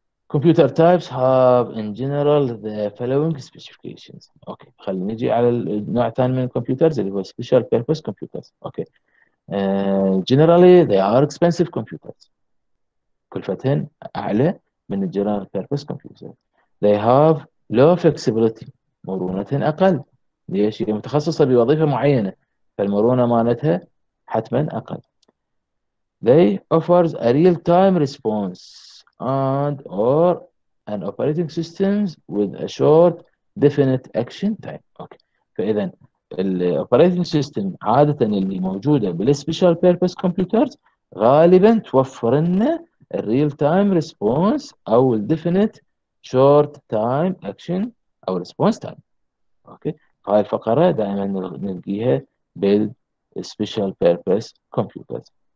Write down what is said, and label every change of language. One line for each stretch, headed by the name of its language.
English: Computer types have in general the following specifications. Okay.
Arabic: خلينا نجي على النوع الثاني من الكمبيوترز اللي هو special purpose computers. Okay.
English: Generally they are expensive computers.
Arabic: كلفتهن أعلى من
English: general purpose computers. They have low flexibility.
Arabic: مرونتهن أقل. ليش؟ هي متخصصة بوظيفة معينة، فالمرونة مالتها حتما اقل.
English: They offers a real-time response and or an operating system with a short definite action time. Okay.
Arabic: فإذا الـ operating system عادة اللي موجودة بالـ special purpose computers غالبا توفر لنا الـ real-time response أو الـ definite short time action أو response time. Okay. هاي الفقرة دائما نلقيها بالـ special purpose computers.